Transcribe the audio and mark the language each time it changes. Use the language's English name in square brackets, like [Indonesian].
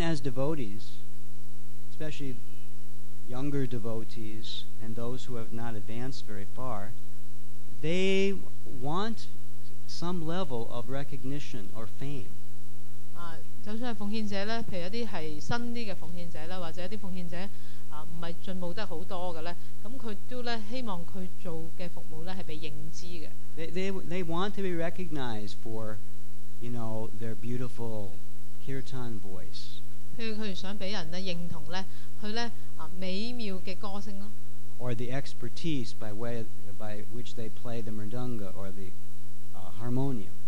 [English] as devotees, especially younger devotees and those who have not advanced very far, they want some level of recognition or fame. [Chinese] 就算是奉獻者呢,譬如一些是新的奉獻者呢,或者一些奉獻者 不是進步得很多的，他都希望他做的服務是被認知的。 [English] They want to be recognized for, you know, their beautiful kirtan voice. [Chinese] 譬如他們想被人認同他美妙的歌聲。 [English] Or the expertise by which they play the mridanga or the harmonium.